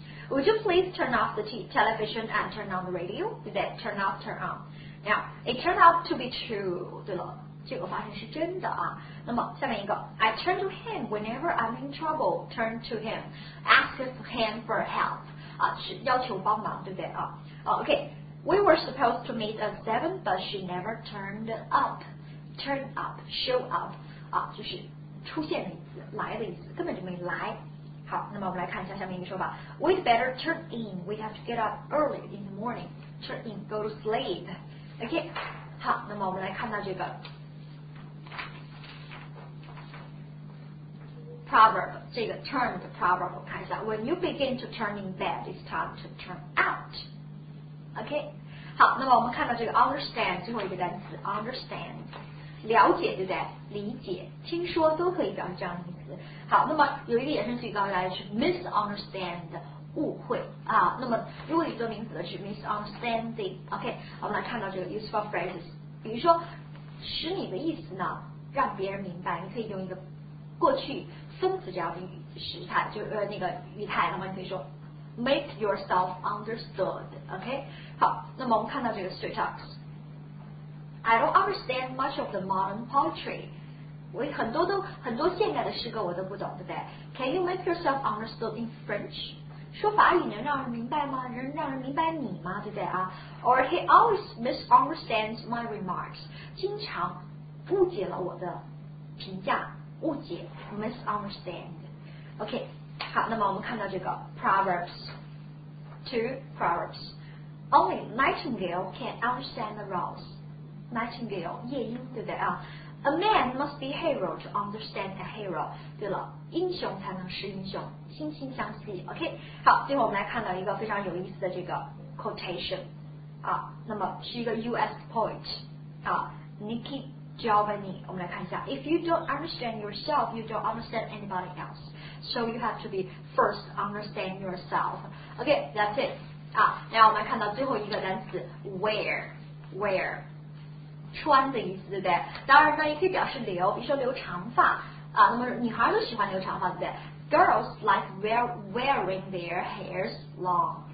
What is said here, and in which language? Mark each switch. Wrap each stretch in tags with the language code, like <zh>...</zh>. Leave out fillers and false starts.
<en>Would you please turn off the television and turn on the radio？</en> <zh>对不对</zh> <en>？Turn off, turn on。Now it turned out to be true。</en> <zh>对了，结果发现是真的啊。那么下面一个 ，</zh> <en>I turn to him whenever I'm in trouble. Turn to him, ask him for help。</en> <zh>啊，是要求帮忙，对不对啊？好</zh> <en>，OK。We were supposed to meet at 7, but she never turned up. Turn up, show up,</en> <zh>啊，就是出现的意思，来的意思，根本就没来。好，那么我们来看一下下面一个说法。</zh> <en>We'd better turn in. We have to get up early in the morning. Turn in, go to sleep.</en> <zh>OK, 好，那么我们来看到这个 proverb, 这个 turn 的 proverb, 我看一下。</zh> <en>When you begin to turn in bed, it's time to turn out.</en> <zh>OK， 好，那么我们看到这个 understand 最后一个单词 understand， 了解对不对？理解、听说都可以表示这样的意思。好，那么有一个衍生词告诉大家是 misunderstand， 误会啊。那么如果你做名词的是 misunderstanding， OK， 我们来看到这个 useful phrases， 比如说使你的意思呢让别人明白，你可以用一个过去分词这样的语时态，就那个语态，那么你可以说。</zh> <en>Make yourself understood, OK?</en> <zh>好，那么我们看到这个</zh> <en>straight up. I don't understand much of the modern poetry.</en> <zh>我很多现代的诗歌我都不懂，对不对？</zh> <en>Can you make yourself understood in French?</en> <zh>说法语能让人明白吗？能让人明白你吗？对不对啊？</zh> <en>Or he always misunderstands my remarks.</en> <zh>经常误解了我的评价，误解 misunderstand, OK? 好，那么我们看到这个</zh> <en>Proverbs， two Proverbs， only nightingale can understand the rose， nightingale</en> <zh>夜莺对不对啊？</zh> <en>A man must be hero to understand a hero，</en> <zh>对了，英雄才能识英雄，惺惺相惜，</zh> <en>OK，</en> <zh>好，最后我们来看到一个非常有意思的这个</zh> <en>quotation， 啊，那么是一个 US poet， 啊， Nikki Giovanni， 我们来看一下， if you don't understand yourself， you don't understand anybody else。 So you have to be first understand yourself. Okay, that's it.</en> <zh>啊，然后我们看到最后一个单词 wear， 穿的意思，对不对？当然呢，也可以表示留，比如说留长发啊。那么女孩都喜欢留长发，对不对 ？</zh> <en>Girls like wearing their hairs long.</en>